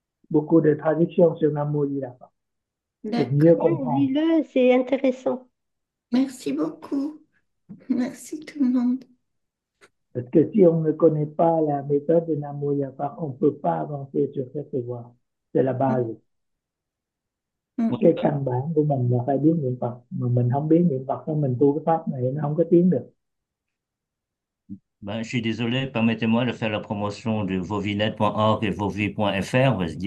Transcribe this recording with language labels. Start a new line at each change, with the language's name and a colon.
French: beaucoup de traductions sur Namo Ajita pour D'accord. mieux comprendre. Lis-le, c'est intéressant. Merci beaucoup. Merci tout le monde. Parce que si on ne connaît pas la méthode de Namo Ajita, on ne peut pas avancer sur cette voie. C'est la base.
Vietnamese: Cái căn bản của mình là phải biết niệm Phật, mà mình không biết niệm Phật thì mình tu cái pháp này nó không có tiến được.
French: Ben, je suis désolé, permettez-moi de faire la promotion de vovinet.org et vovi.fr.